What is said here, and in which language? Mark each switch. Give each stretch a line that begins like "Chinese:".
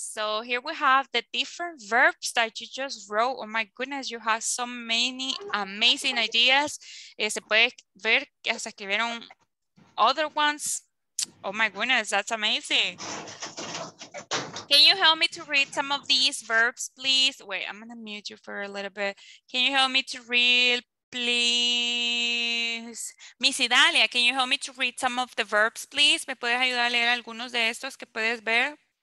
English: So here we have the different verbs that you just wrote. Oh my goodness, you have so many amazing ideas.
Spanish: Se puede ver que se escribieron
English: other ones. Oh my goodness, that's amazing. Can you help me to read some of these verbs, please? Wait, I'm gonna mute you for a little bit. Can you help me to read, please? Miss Idalia, can you help me to read some of the verbs, please?
Spanish: ¿Me puedes ayudar a leer algunos de estos que puedes ver?